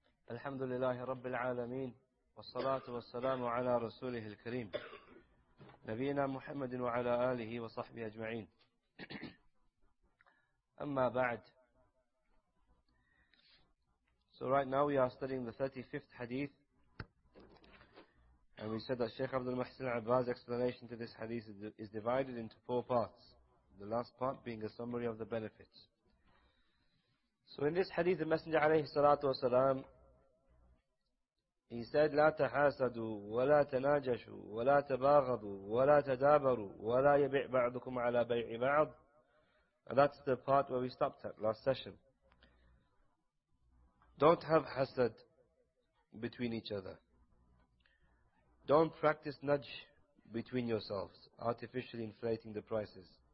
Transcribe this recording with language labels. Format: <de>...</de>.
<ar>الحمد لله رب العالمين، والصلاة والسلام على رسوله الكريم نبينا محمد وعلى آله وصحبه أجمعين. أما بعد،</ar> <en>so right now we are studying the 35th hadith, and we said that Sheikh Abdul Mahsin Abbas' explanation to this hadith is divided into four parts, the last part being a summary of the benefits. So in this hadith, the Messenger alayhi salatu wasalam, he said,</en> <ar>لا تحاسدوا ولا تناجشوا ولا تباغضوا ولا تدابروا ولا يبيع بعضكم على بيع بعض.</ar> <en>And that's the part where we stopped at last session. Don't have hasad between each other. Don't practice najsh between yourselves, artificially inflating the prices.</en>